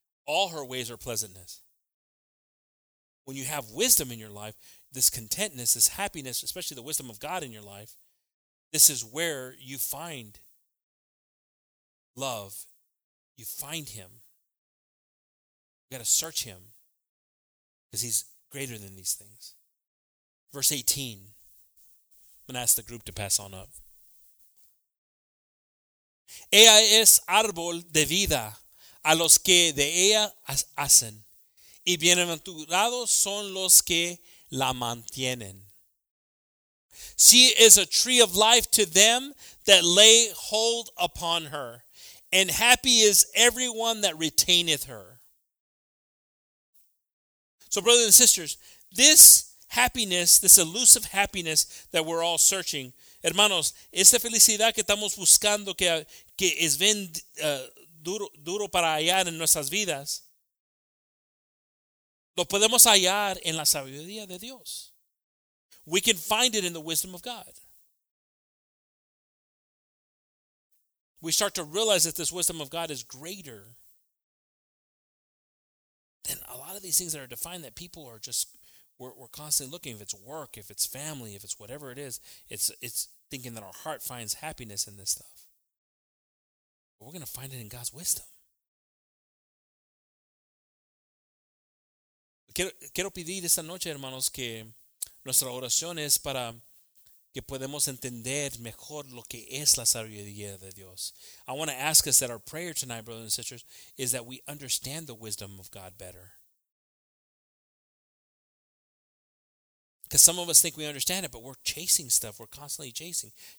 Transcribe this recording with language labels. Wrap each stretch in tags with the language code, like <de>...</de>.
<en>All her ways are pleasantness. When you have wisdom in your life, this contentness, this happiness, especially the wisdom of God in your life, this is where you find love. You find Him. You got to search Him, because He's greater than these things. Verse 18. I'm going to ask the group to pass on up.</en> <es>Ella es árbol de vida a los que de ella hacen, y bienaventurados son los que la mantienen.</es> <en>She is a tree of life to them that lay hold upon her, and happy is everyone that retaineth her. So, brothers and sisters, this happiness, this elusive happiness that we're all searching,</en> <es>hermanos, esta felicidad que estamos buscando que es bien duro para hallar en nuestras vidas, lo podemos hallar en la sabiduría de Dios.</es> <en>We can find it in the wisdom of God. We start to realize that this wisdom of God is greater than a lot of these things that are defined that people are just, we're constantly looking. If it's work, if it's family, if it's whatever it is, it's thinking that our heart finds happiness in this stuff. But we're going to find it in God's wisdom.</en> <es>Quiero pedir esta noche, hermanos, que nuestra oración es para que podamos entender mejor lo que es la sabiduría de Dios.</es> <en>I want to ask us that our prayer tonight, brothers and sisters, is that we understand the wisdom of God better. Because some of us think we understand it, but we're chasing stuff. We're constantly chasing.</en>